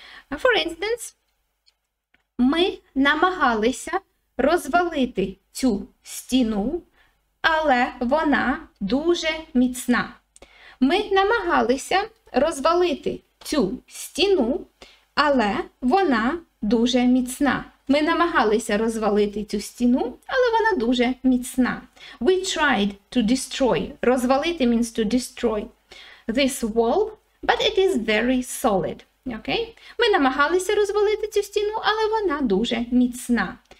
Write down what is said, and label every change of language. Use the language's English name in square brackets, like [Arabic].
[English] For instance, [Ukrainian] ми намагалися розвалити цю стіну, але вона дуже міцна. Ми намагалися розвалити цю стіну, але вона дуже міцна. Ми намагалися розвалити цю стіну, але вона дуже міцна. [English] We tried to destroy. Розвалити means to destroy this wall, but it is very solid. Okay? [Ukrainian] Ми намагалися розвалити цю стіну, але вона дуже міцна.